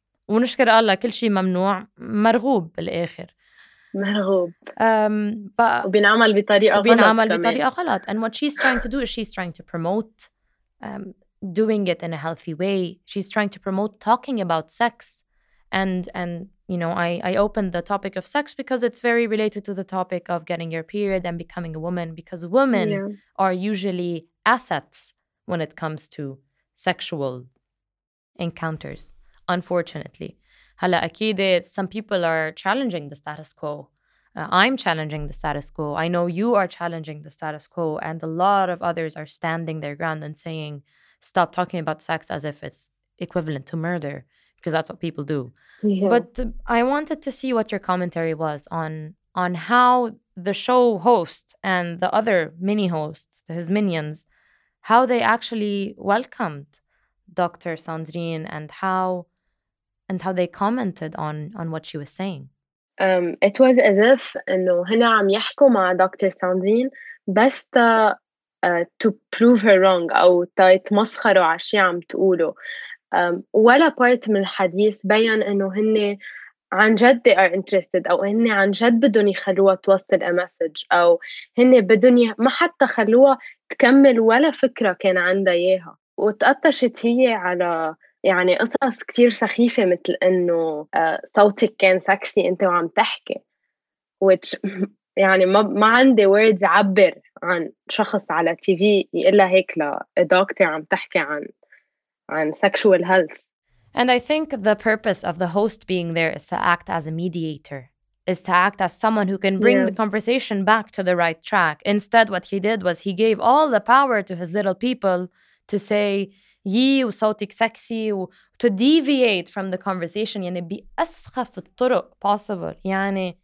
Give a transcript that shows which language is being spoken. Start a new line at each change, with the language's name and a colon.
Arabic: ونشكر الله كل شيء ممنوع مرغوب بالآخر. مرغوب. وبنعمل بطريقة غلط. وبنعمل بطريقة غلط.
English: And what she's trying to do is she's trying to promote doing it in a healthy way. She's trying to promote talking about sex. And you know, I opened the topic of sex because it's very related to the topic of getting your period and becoming a woman, because women are usually assets when it comes to sexual encounters, unfortunately. Hala akid, some people are challenging the status quo. I'm challenging the status quo. I know you are challenging the status quo, and a lot of others are standing their ground and saying, stop talking about sex as if it's equivalent to murder, because that's what people do. But I wanted to see what your commentary was on how the show host and the other mini hosts, his minions, how they actually welcomed Dr. Sandrine and how they commented on what she was saying. It was as if
Arabic: هنا عم يحكوا مع دكتور ساندرين بس
English: to prove her wrong
Arabic: أو تتمسخروا على شي عم تقوله. ولا
English: part
Arabic: من الحديث بيّن إنه هن عن جد
English: they are interested
Arabic: أو هن عن جد بدون يخلوها توصل
English: a message
Arabic: أو هن بدون ما حتى خلوها تكمل ولا فكرة كان عندها إياها. وتقطشت هي على يعني قصص كتير سخيفة مثل إنه صوتك كان سكسي أنت وعم تحكي
English: which
Arabic: يعني ما عندي
English: words
Arabic: عبر عن شخص على TV يقول لها هيك لدكتور عم تحكي عن
English: sexual health. And I think the purpose of the host being there is to act as a mediator, is to act as someone who can bring the conversation back to the right track. Instead, what he did was he gave all the power to his little people to say,
Arabic: يي وصوتك سكسي,
English: to deviate from the conversation,
Arabic: يعني بأسخف الطرق
English: possible.
Arabic: يعني